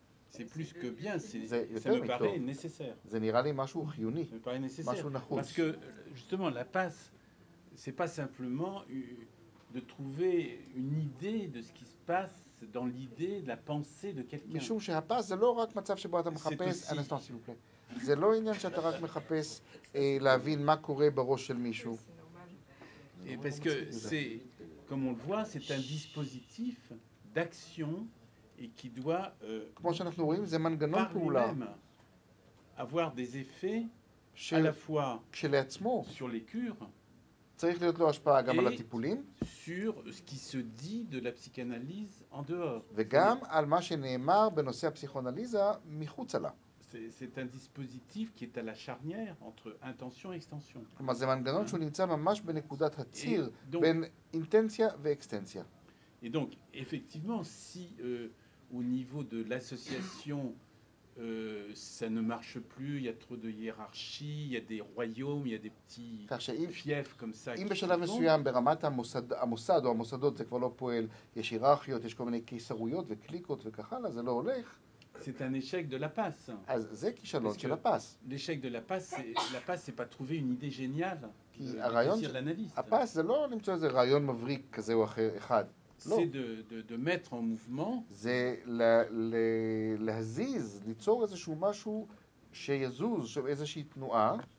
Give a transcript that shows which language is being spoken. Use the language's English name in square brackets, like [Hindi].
[French] C'est plus que bien, ça me paraît nécessaire. [Hebrew] זה נראה לי משהו חיוני. [French] Ça me paraît nécessaire. Parce que, justement, la passe, c'est pas simplement... de trouver une idée de ce qui se passe dans l'idée de la pensée de quelqu'un. [Hebrew] משום שהפס זה לא רק מצב שבו אתה מחפש, [French] un instant s'il vous plaît. [Hebrew] זה לא עניין שאתה רק מחפש להבין מה קורה בראש של מישהו. [French] Et parce que c'est, comme on le voit, c'est un dispositif d'action et qui doit, [Hebrew] כמו שאנחנו רואים, זה מנגנון פעולה. [French] Avoir des effets à la fois sur les cures. [Hebrew] צריך להיות לו השפעה גם על הטיפולים. [French] Sur ce qui se dit de la psychanalyse en dehors. [Hebrew] וגם על מה שנאמר בנושא הפסיכואנליזה מחוצה לה. [French] C'est un dispositif qui est à la charnière entre intention et extension. [Hebrew] כלומר, זה מנגנון שהוא נמצא ממש בנקודת הציר בין אינטנציה ואקסטנציה. [French] Et donc, effectivement, si au niveau de l'association ça ne marche plus, il y a trop de hiérarchie, il y a des royaumes, il y a des petits fiefs comme ça. [Hebrew] אם בשלב מסוים ברמת המוסד או המוסדות זה כבר לא פועל, יש היררכיות, יש כל מיני קיסרויות וקליקות וכך הלאה, זה לא הולך. [French] C'est un échec de la passe. [Hebrew] אז זה כישלון של הפס. [French] L'échec de la passe, c'est pas trouver une idée géniale. [Hebrew] כי הרעיון, הפס זה לא למצוא איזה רעיון מבריק כזה או אחר אחד. [French] C'est de mettre en mouvement. C'est [Hebrew] להזיז, ליצור איזשהו משהו שיזוז, איזושהי תנועה.